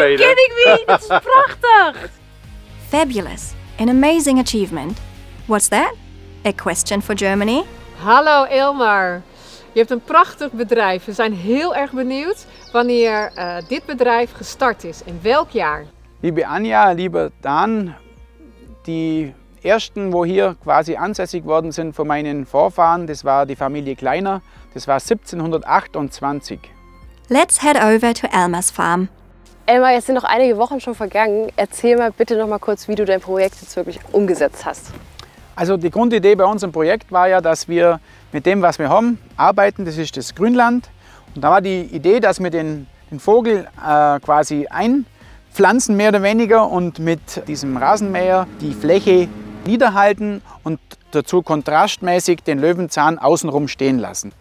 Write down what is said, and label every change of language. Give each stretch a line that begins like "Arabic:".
English: Are you kidding me?
Dutch: Dat is prachtig!
English: Fabulous. An amazing achievement. What's that? A question for Germany?
Dutch: Hallo Ilmar. Je hebt een prachtig bedrijf. We zijn heel erg benieuwd wanneer dit bedrijf gestart is. In welk jaar?
German: Liebe Anja, liebe Dan, die... Die ersten, wo hier quasi ansässig worden sind von meinen Vorfahren, das war die Familie Kleiner. Das war 1728.
English: Let's head over to Elmas Farm.
German: Elmar, jetzt sind noch einige Wochen schon vergangen. Erzähl mal bitte noch mal kurz, wie du dein Projekt jetzt wirklich umgesetzt hast. Also die Grundidee bei unserem Projekt war ja, dass wir mit dem, was wir haben, arbeiten. Das ist das Grünland. Und da war die Idee, dass wir den Vogel quasi einpflanzen mehr oder weniger und mit diesem Rasenmäher die Fläche niederhalten und dazu kontrastmäßig den Löwenzahn außenrum stehen lassen.